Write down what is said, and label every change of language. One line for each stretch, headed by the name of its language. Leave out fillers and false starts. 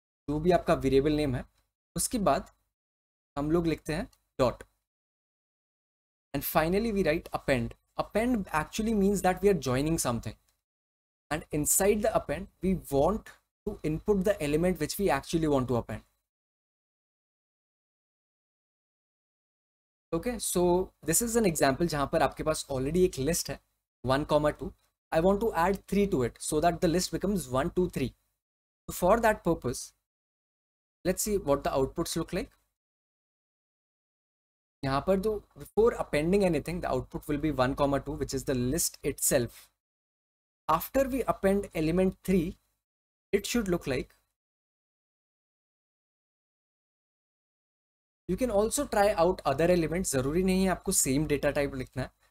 Hindi: जो भी आपका variable name है, उसके बाद हम लोग लिखते हैं dot.
English: And finally, we write append. Append actually means that we are joining something, and inside the append we want to input the element which we actually want to append. Okay, so this is an example
Hindi: jahan par aapke paas already ek list hai 1, 2.
English: I want to add 3 to it so that the list becomes 1, 2, 3. So for that purpose, let's see what the outputs look like.
Hindi: यहाँ पर तो
English: Before appending anything the output will be 1, 2 which is the list itself. After we append element 3 it should look like. You can also try out other element,
Hindi: जरूरी नहीं है आपको same data type लिखना है.